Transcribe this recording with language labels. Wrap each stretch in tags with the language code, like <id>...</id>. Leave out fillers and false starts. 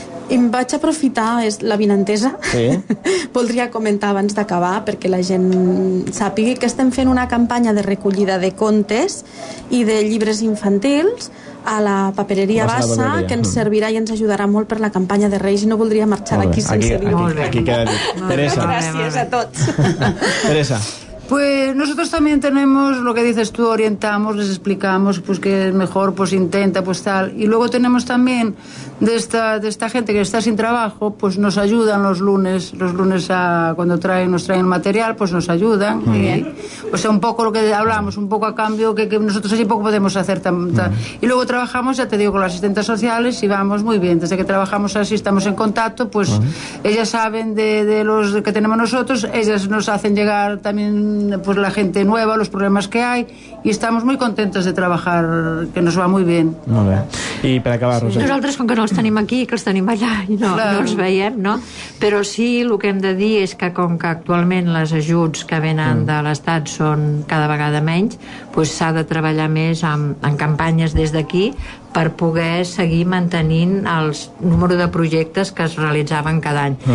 <ca>I em vaig aprofitar, és la vinentesa, voldria comentar abans d'acabar perquè la gent sàpigui que estem fent una campanya de recollida de contes i de llibres infantils a la papereria Bassa, que ens servirà i ens ajudarà molt per la campanya de Reis, i no voldria marxar d'aquí sense dir-ho. Aquí queda dit. Teresa. Gràcies a tots. Teresa.</ca> <es>Pues nosotros también tenemos lo que dices tú, orientamos, les explicamos pues que es mejor, pues intenta, pues tal. Y luego tenemos también de esta gente que está sin trabajo, pues nos ayudan los lunes a cuando nos traen el material, pues nos ayudan. O sea, un poco lo que hablamos, un poco a cambio, que nosotros allí poco podemos hacer. Y luego trabajamos, ya te digo, con las asistentes sociales y vamos muy bien. Desde que trabajamos así, estamos en contacto, pues ellas saben de los que tenemos nosotros, ellas nos hacen llegar también pues la gente nueva, los problemas que hay, y estamos muy contentos de trabajar, que nos va muy bien.</es> <ca>Molt bé. I per acabar, Roser. Sí, nosaltres, com que no els tenim aquí, que els tenim allà i no els veiem, no? Però sí, el que hem de dir és que com que actualment les ajuts que venen de l'Estat són cada vegada menys, pues s'ha de treballar més en campanyes des d'aquí per poder seguir mantenint el número de projectes que es realitzaven cada any.</ca>